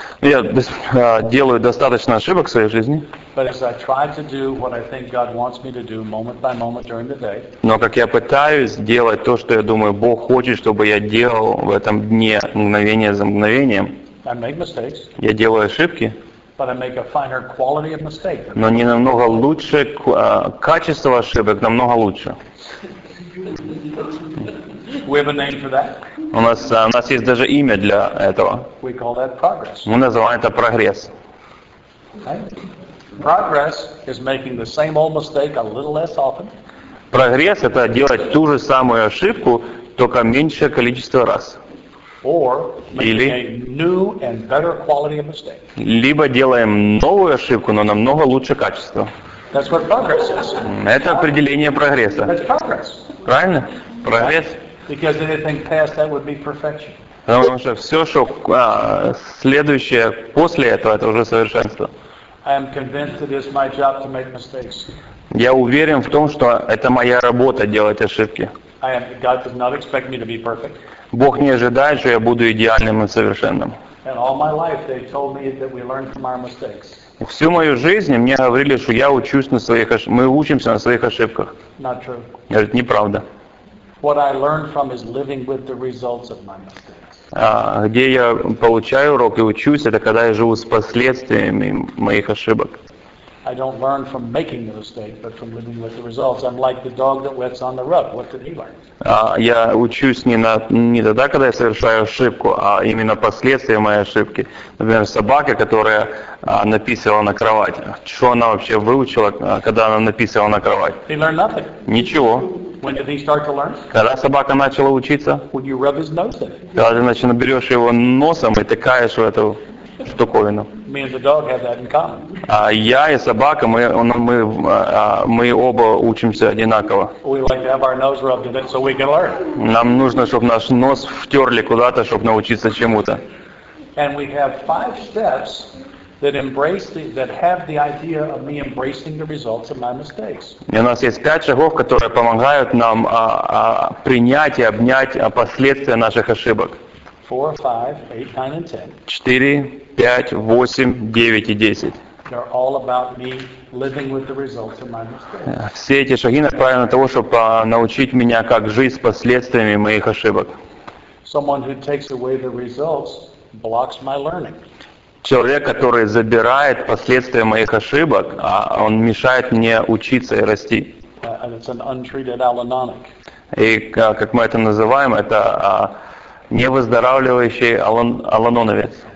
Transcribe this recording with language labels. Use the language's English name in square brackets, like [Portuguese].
[Russian] Я делаю достаточно ошибок в своей жизни. [English] But as I try to do what I think God wants me to do moment by moment during the day. [Russian] Но как я пытаюсь делать то, что я думаю, Бог хочет, чтобы я делал в этом дне мгновение за мгновением. [English] I make mistakes. [Russian] Я делаю ошибки. [English] But I make a finer quality of mistake. [Russian] Но не намного лучше качество ошибок, намного лучше. [English] We have a name for that. [Russian] У нас есть даже имя для этого. [English] We call that progress. [Russian] Мы называем это прогресс. [English] Okay. Progress is making the same old mistake a little less often. [Russian] Прогресс — это делать ту же самую ошибку, только меньшее количество раз. [English] Or [Russian] или [English] a new and better quality of mistake. [Russian] Либо делаем новую ошибку, но намного лучше качество. [English] That's what progress is. [Russian] Это определение прогресса. [English] That's progress. [Russian] Правильно? Прогресс. [English] Because anything past that would be perfection. [Russian] Потому что все, что следующее после этого, это уже совершенство. [English] I am convinced it is my job to make mistakes. [Russian] Я уверен в том, что это моя работа делать ошибки. [English] God does not expect me to be perfect. [Russian] Бог не ожидает, что я буду идеальным и совершенным. [English] And all my life they told me that we learn from our mistakes. [Russian] Всю мою жизнь мне говорили, что я учусь на своих ошибках. Мы учимся на своих ошибках. [English] Not true. [Russian] Говорит, неправда. [English] What I learned from is living with the results of my mistakes. [Russian] Где я получаю урок и учусь, это когда я живу с последствиями моих ошибок. [English] I don't learn from making the mistake, but from living with the results. I'm like the dog that wets on the rug. What did he learn? [Russian] Я учусь не тогда, когда я совершаю ошибку, а именно последствия моей ошибки. Например, собака, которая написала на кровать. Что она вообще выучила, когда она написала на кровать? [English] He learned nothing. [Russian] Ничего. [English] When did he start to learn? [Russian] Когда собака начала учиться? [English] Would you rub his nose then? [Russian] Когда ты, значит, берешь его носом и тыкаешь в эту штуковину. [English] Me and the dog have that in common. [Russian] Я и собака, мы оба учимся одинаково. [English] We like to have our nose rubbed in it so we can learn. [Russian] Нам нужно, чтобы наш нос втерли куда-то, чтобы научиться чему-то. [English] And we have five steps that have the idea of me embracing the results of my mistakes. [Russian] И у нас есть пять шагов, которые помогают нам принять и обнять последствия наших ошибок. [English] 4, 5, 8, 9, and 10. [Russian] 4, 5, 8, 9 и 10. [English] They're all about me living with the results of my mistakes. [Russian] Все эти шаги направлены на того, чтобы научить меня, как жить с последствиями моих ошибок. [English] Someone who takes away the results blocks my learning. [Russian] Человек, который забирает последствия моих ошибок, он мешает мне учиться и расти. [English] And it's an untreated allanonic. [Russian] И как мы это называем, это невыздоравливающий алланоновец.